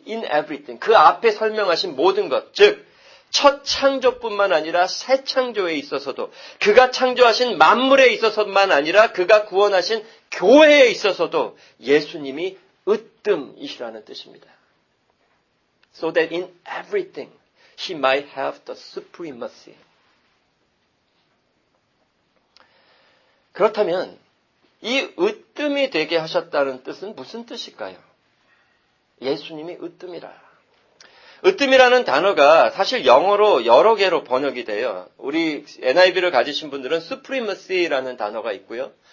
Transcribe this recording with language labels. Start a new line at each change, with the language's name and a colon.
English: in everything.
Korean: 그 앞에 설명하신 모든 것, 즉 첫 창조뿐만 아니라 새 창조에 있어서도, 그가 창조하신 만물에 있어서만 아니라 그가 구원하신 교회에 있어서도 예수님이 으뜸이시라는 뜻입니다.
English: So that in everything, he might have the supremacy.
Korean: 그렇다면, 이 으뜸이 되게 하셨다는 뜻은 무슨 뜻일까요? 예수님이 으뜸이라. 으뜸이라는 단어가 사실 영어로 여러 개로 번역이 돼요. 우리 NIV를 가지신 분들은 supremacy라는 단어가 있고요.